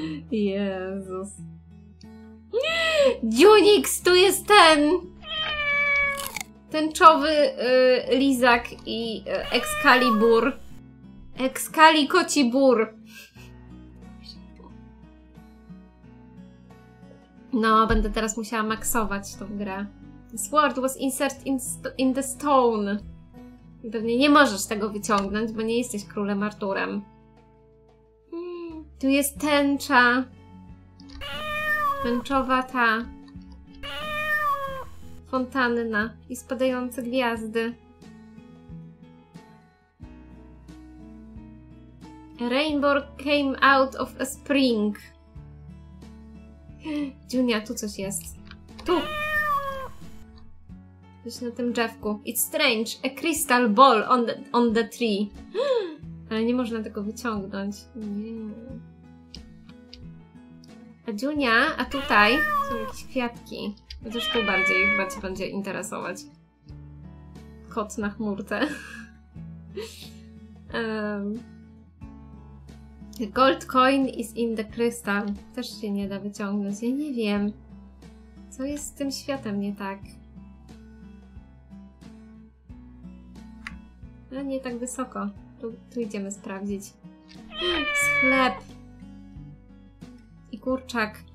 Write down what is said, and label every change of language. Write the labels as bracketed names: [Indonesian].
[Polish] Jezus. Dziunix, tu jest ten! Tęczowy lizak i Excalibur. Excalikocibur. No, będę teraz musiała maksować tą grę. [English] This word was inserted in the stone. [Polish] Pewnie nie możesz tego wyciągnąć, bo nie jesteś królem Arturem. Tu jest tęcza. Tęczowa ta. Fontanna i spadające gwiazdy. [English] Rainbow came out of a spring. [Polish] Dziunia, tu coś jest. Tu! Coś na tym drzewku. [English] It's strange, a crystal ball on the tree. [Polish] Ale nie można tego wyciągnąć. Nie. A Dziunia, a tutaj są jakieś kwiatki. Chociaż tu bardziej chyba cię będzie interesować. Kot na chmurce. [English] Gold coin is in the crystal. [Polish] Też się nie da wyciągnąć. Ja nie wiem, co jest z tym światem nie tak. Ale nie tak wysoko. Tu idziemy sprawdzić. Sklep. I kurczak.